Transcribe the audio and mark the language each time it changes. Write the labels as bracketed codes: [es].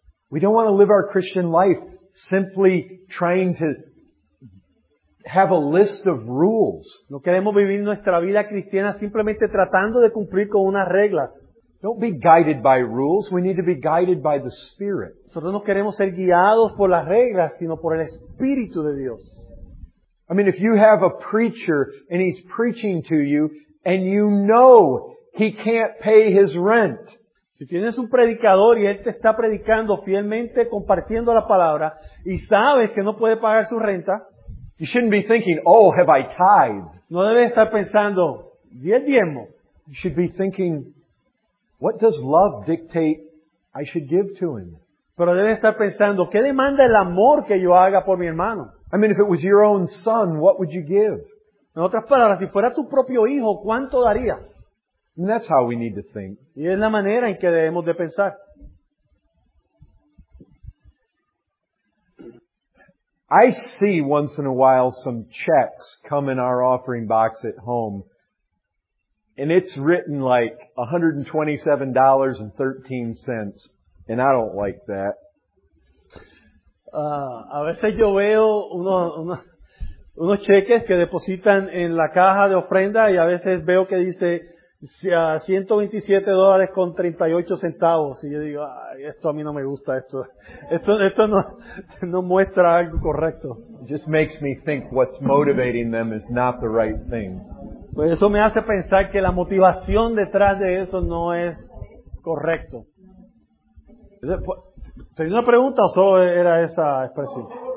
[en] We don't want to live our Christian life simply trying to have a list of rules. [es] No queremos vivir nuestra vida cristiana simplemente tratando de cumplir con unas reglas. [en] Don't be guided by rules. We need to be guided by the Spirit. [es] Nosotros no queremos ser guiados por las reglas, sino por el Espíritu de Dios. [en] I mean, if you have a preacher and he's preaching to you and you know he can't pay his rent. [es] Si tienes un predicador y él te está predicando fielmente, compartiendo la palabra, y sabes que no puede pagar su renta, [en] you shouldn't be thinking, oh, have I tithed? [es] No debes estar pensando, ¿di el diezmo? [en] You should be thinking, what does love dictate I should give to him? [es] Pero debes estar pensando, ¿qué demanda el amor que yo haga por mi hermano? [en] I mean, if it was your own son, what would you give? [es] En otras palabras, si fuera tu propio hijo, ¿cuánto darías? [en] And that's how we need to think. [es] Y es la manera en que debemos de pensar. [en] I see once in a while some checks come in our offering box at home, and it's written like $127.13, and I don't like that. [es] A veces yo veo unos cheques que depositan en la caja de ofrenda y a veces veo que dice $127.38, y yo digo, ay, esto a mí no me gusta, esto no muestra algo correcto. [en] It just makes me think what's motivating them is not the right thing. [es] Pues eso me hace pensar que la motivación detrás de eso no es correcto. ¿Tenía una pregunta o solo era esa expresión?